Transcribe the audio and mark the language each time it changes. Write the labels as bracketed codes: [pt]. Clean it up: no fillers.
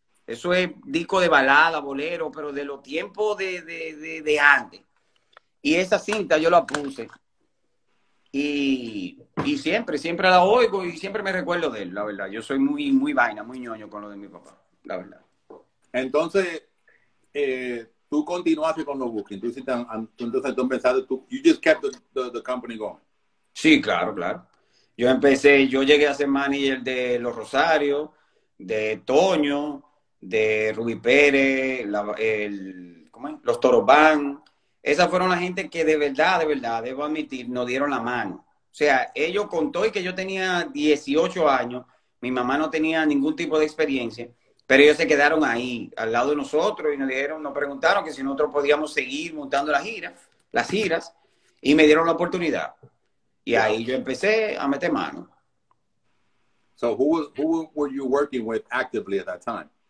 [es] Eso es disco de balada, bolero, pero de los tiempos de antes. Y esa cinta yo la puse. Y siempre la oigo y siempre me recuerdo de él, la verdad. Yo soy muy, muy vaina, muy ñoño con lo de mi papá, la verdad. Entonces, tú continuaste con los bookings. Entonces, tú pensaste, [en] you just kept the company going. [es] Sí, claro, claro. Yo empecé, yo llegué a ser manager de Los Rosarios, de Toño, de Rubí Pérez, ¿cómo es? Los Toros Van. Esas fueron la gente que de verdad, debo admitir, nos dieron la mano. O sea, ellos con todo y que yo tenía 18 años, mi mamá no tenía ningún tipo de experiencia, pero ellos se quedaron ahí, al lado de nosotros, y nos dijeron, nos preguntaron que si nosotros podíamos seguir montando las giras, y me dieron la oportunidad. Y ahí yo empecé a meter mano. [en] So who were you working with actively at that time?